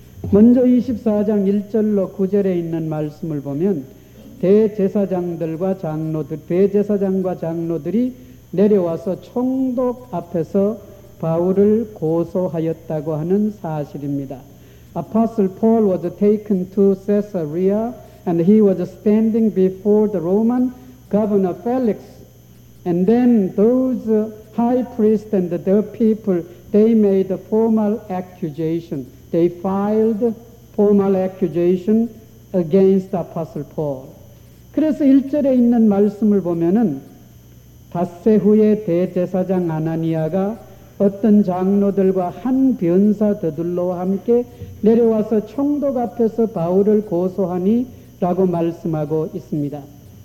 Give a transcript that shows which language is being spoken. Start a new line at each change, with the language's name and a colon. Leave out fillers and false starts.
Korean: 먼저 24장 1절로 9절에 있는 말씀을 보면 대제사장들과 장로들, 대제사장과 장로들이 내려와서 총독 앞에서 바울을 고소하였다고 하는 사실입니다.
English: Apostle Paul was taken to Caesarea and he was standing before the Roman governor Felix. And then those high priests and the people, they made a formal accusation. They filed formal accusation against Apostle Paul.
Korean: 그래서 1절에 있는 말씀을 보면은 닷새 후에 대제사장 아나니아가 어떤 장로들과 한 변사 더들로와 함께 내려와서 총독 앞에서 바울을 고소하니 라고 말씀하고 있습니다.